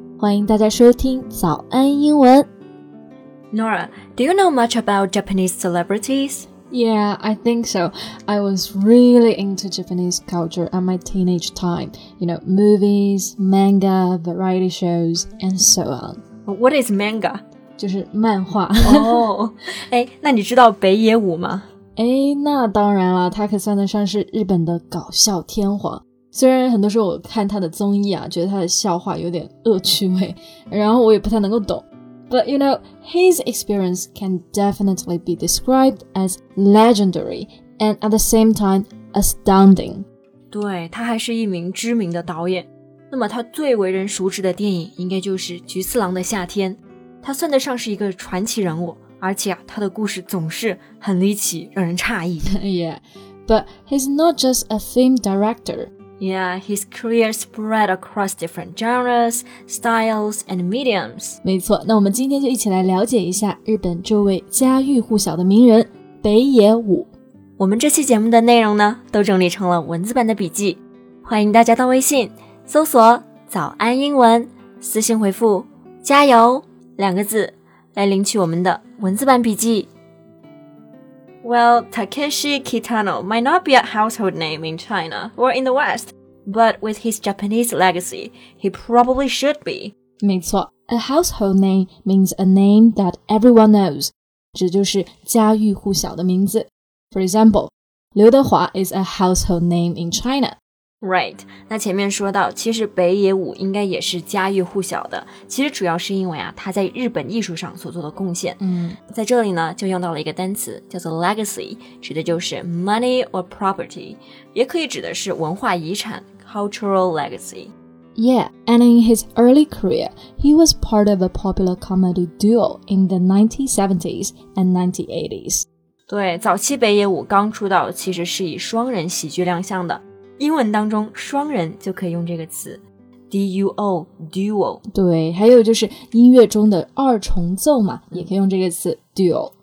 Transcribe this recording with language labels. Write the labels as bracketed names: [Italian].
[Chinese] 欢迎大家收听早安英文。 [English] Nora, do you know much about Japanese celebrities? Yeah, I think so. I was really into Japanese culture at my teenage time. You know, movies, manga, variety shows, and so on. What is manga? [Chinese] 就是漫画。哦，哎，那你知道北野武吗？哎，那当然了，他可算得上是日本的搞笑天皇。虽然很多时候我看他的综艺啊，觉得他的笑话有点恶趣味，然后我也不太能够懂。 [English] But you know, his experience can definitely be described as legendary and at the same time astounding. [Chinese] 对，他还是一名知名的导演。那么他最为人熟知的电影应该就是《菊次郎的夏天》。他算得上是一个传奇人物。而且啊，他的故事总是很离奇，让人诧异。 [English] Yeah, but he's not just a film director. Yeah, his career spread across different genres, styles, and mediums. [Chinese] 没错，那我们今天就一起来了解一下日本这位家喻户晓的名人北野武。我们这期节目的内容呢，都整理成了文字版的笔记，欢迎大家到微信搜索“早安英文”，私信回复“加油”两个字。来领取我们的文字版笔记。 [English] Well, Takeshi Kitano might not be a household name in China or in the West, but with his Japanese legacy, he probably should be. [Chinese] 没错 [English] ，a household name means a name that everyone knows， [Chinese] 指就是家喻户晓的名字。 [English] For example, 刘德华 is a household name in China. [Chinese] Right, 那前面说到其实北野武应该也是家喻户晓的，其实主要是因为啊，他在日本艺术上所做的贡献。在这里呢，就用到了一个单词叫做 legacy， 指的就是 [English] money or property， [Chinese] 也可以指的是文化遗产 cultural legacy。 [English] Yeah, and in his early career, he was part of a popular comedy duo in the 1970s and 1980s. [Chinese] 对，早期北野武刚出道其实是以双人喜剧亮相的，英文当中双人就可以用这个词 D-U-O, duo。对，还有就是音乐中的二重奏嘛，也可以用这个词 duo。